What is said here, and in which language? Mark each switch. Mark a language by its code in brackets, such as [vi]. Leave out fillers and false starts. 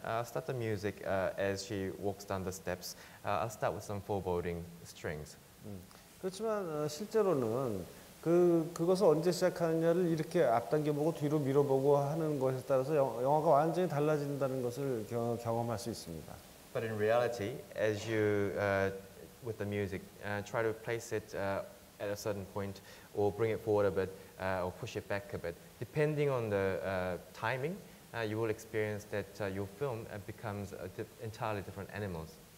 [en] I'll start the music as she walks down the steps. I'll start with some foreboding strings. [ko] 그렇지만 실제로는 그것을 언제 시작하느냐를 이렇게 앞당겨보고 뒤로 밀어보고 하는 것에 따라서 영화가 완전히 달라진다는 것을 경험할 수 있습니다. [en] But in reality, as you with the music, try to place it at a certain point, or bring it forward a bit, or push it back a bit, depending on the timing, you will experience that your film becomes an entirely different animals.